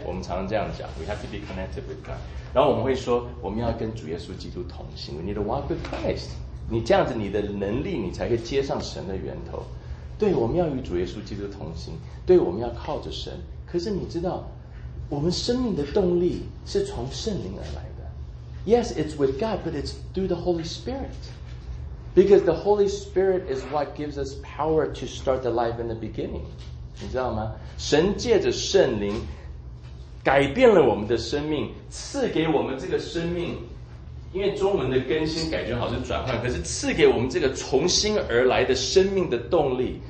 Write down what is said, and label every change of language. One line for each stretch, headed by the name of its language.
Chinese: 我们常常这样讲，
English: We have to be connected with God.
Chinese: 然后我们会说，我们要跟主耶稣基督同行，
English: We need to walk with Christ.
Chinese: 你这样子你的能力你才可以接上神的源头。对，我们要与主耶稣基督同行，对，我们要靠着神。可是你知道，我们生命的动力是从圣灵而来的。
English: Yes, it's with God, but it's through the Holy SpiritBecause the Holy Spirit is what gives us power to start the life in the beginning.
Chinese: 你知道吗？神借着圣灵改变了我们的生命，赐给我们这个生命，因为中文的更新改觉好像转换，可是赐给我们这个重新而来的生命的动力。